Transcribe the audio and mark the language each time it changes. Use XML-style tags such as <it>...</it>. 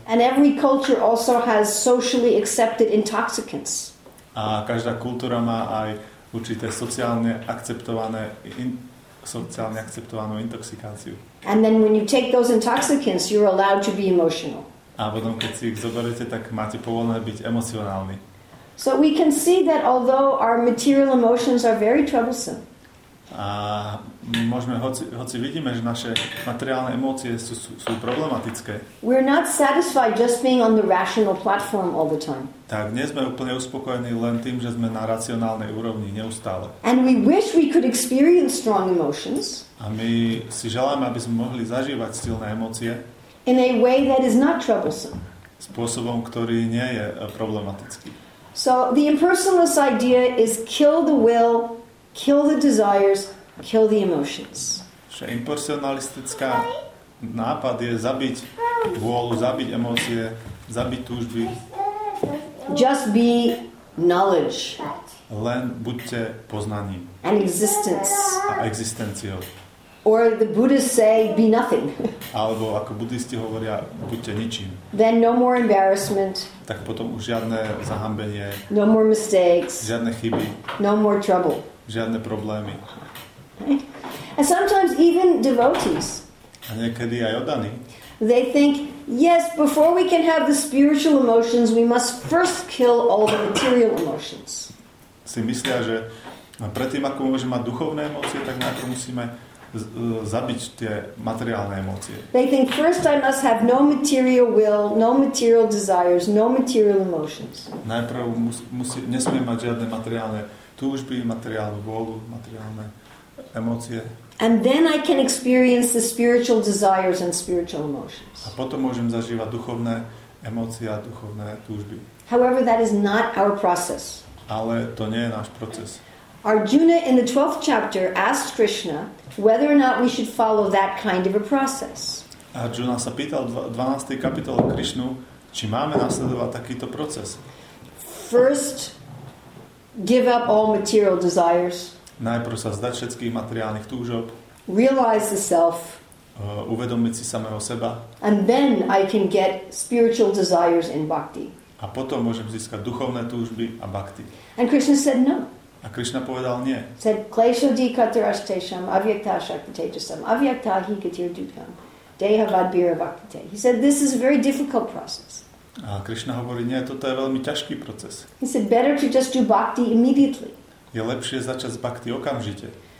<en>And every culture also has socially accepted intoxicants.</en> <sk>A každá kultúra má aj určité sociálne akceptovanú intoxikáciu.</sk> <en>And then when you take those intoxicants, you're allowed to be emotional.</en> <sk>A potom keď si ich zoberete, tak máte povolené byť emocionálni.</sk> <en>So we can see that although our material emotions are very troublesome.</en> <sk>A môžeme, hoci vidíme, že naše materiálne emócie sú problematické.</sk> <en>We're not satisfied just being on the rational platform all the time.</en> <sk>Tak nie sme úplne uspokojení len tým, že sme na racionálnej úrovni neustále.</sk> <en>And we wish we could experience strong emotions.</en> <sk>A my si želáme, aby sme mohli zažívať silné emócie.</sk> <en>In a way that is not troublesome.</en> <sk>Spôsobom, ktorý nie je problematický.</sk> <en>So the impersonalist idea is kill the will, kill the desires, kill the emotions.</en> <sk>Že impersonalistická nápad je zabiť vôľu, zabiť emócie, zabiť túžby.</sk> <en>Just be knowledge.</en> <sk>Len buďte poznaním.</sk> <en>And existence.</en> <sk>A existenciou.</sk> <en>Or the Buddhists say, be nothing.</en> <sk>Alebo ako buddhisti hovoria, buďte ničím.</sk> <en>Then no more embarrassment.</en> <sk>Tak potom už žiadne zahambenie.</sk> <en>No more mistakes.</en> <sk>Žiadne chyby.</sk> <en>No more trouble.</en> <sk>Žiadne problémy.</sk> <en>And sometimes even devotees.</en> <sk>A niekedy aj oddaní.</sk> <en>They think, yes, before we can have the spiritual emotions, we must first kill all the material emotions.</en> <sk>Si myslia, že predtým, ako môžeme mať duchovné emócie, tak najprv musíme zabiť tie materiálne emócie.</sk> <en>They think first I must have no material will, no material desires, no material emotions.</en> <sk>Najprv nesmie mať žiadne materiálne túžby, materiálnu vôľu, materiálne emócie.</sk> <en>And then I can experience the spiritual desires and spiritual emotions.</en> <sk>A potom môžem zažívať duchovné emócie a duchovné túžby.</sk> <en>However, that is not our process.</en> <sk>Ale to nie je náš proces.</sk> <en>Arjuna in the 12th chapter asked Krishna whether or not we should follow that kind of a process.</en> <sk>Arjuna sa pýtal v 12. kapitole Krishnu, či máme nasledovať takýto proces.</sk> <en>First, give up all material desires.</en> <sk>Najprv sa zdať všetkých materiálnych túžob.</sk> <en>Realize the self.</en> <sk>Uvedomiť si samého seba.</sk> <en>And then I can get spiritual desires in bhakti.</en> <sk>A potom môžem získať duchovné túžby a bhakti.</sk> <en>And Krishna said no.</en> <sk>A Krishna povedal nie.</sk> <en>Said</en> <sa>klesho dikatrashtesham avyakta shaktitejasam avyakta hi gatir dukam dehavadbira bhaktite.</sa> <en>He said this is a very difficult process.</en> <sk>A Krishna hovorí nie, toto je veľmi ťažký proces.</sk> <en>He said better to just do bhakti immediately.</en> <sk>Je lepšie začať s bhakti okamžite.</sk>